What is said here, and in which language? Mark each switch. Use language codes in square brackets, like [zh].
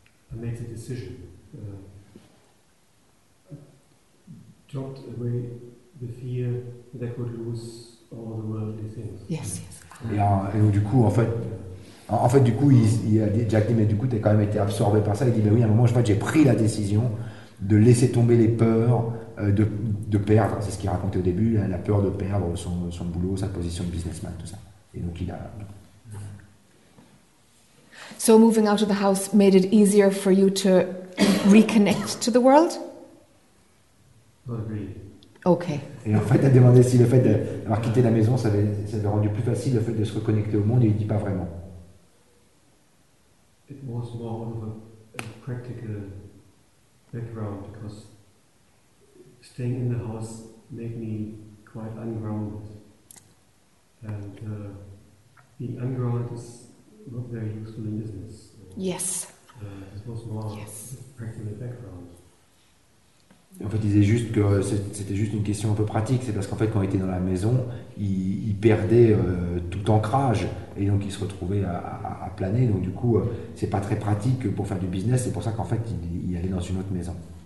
[en] I made the decision, dropped away the fear that I could lose all the worldly things. Yes, yes. [fr] Et donc, du coup, en fait, Jack dit, mais du coup, tu as quand même été absorbé par ça. Il dit, mais oui, à un moment, j'ai pris la décision de laisser tomber les peurs de perdre. C'est ce qu'il racontait au début, hein, la peur de perdre son boulot, sa position de businessman, tout ça. Et donc, il a... [en] So moving out of the house made it easier for you to reconnect to the world? Agreed. Okay. [fr] Et en fait, elle demandait si le fait d'avoir quitté la maison, ça avait rendu plus facile le fait de se reconnecter au monde, et il dit pas vraiment. [en] It was more of a practical that ground, because staying in the house made me quite ungrounded. And being ungrounded is not very useful in business. Yes. It was more practical background. [fr] En fait, il disait juste que c'était juste une question un peu pratique. C'est parce qu'en fait, quand il était dans la maison, il perdait tout ancrage et donc il se retrouvait à planer. Donc du coup, c'est pas très pratique pour faire du business. C'est pour ça qu'en fait, il allait dans une autre maison.